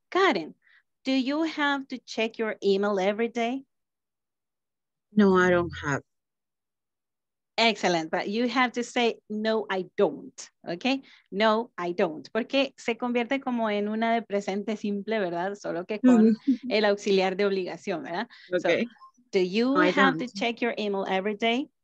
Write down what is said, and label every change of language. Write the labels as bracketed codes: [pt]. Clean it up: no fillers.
[en] Karen, do you have to check your email every day? No, I don't have. Excellent, but you have to say, no, I don't, ¿ok? No, I don't. [es] Porque se convierte como en una de presente simple, ¿verdad? Solo que con el auxiliar de obligación, ¿verdad? [en] Okay. So, do you have to check your email every day?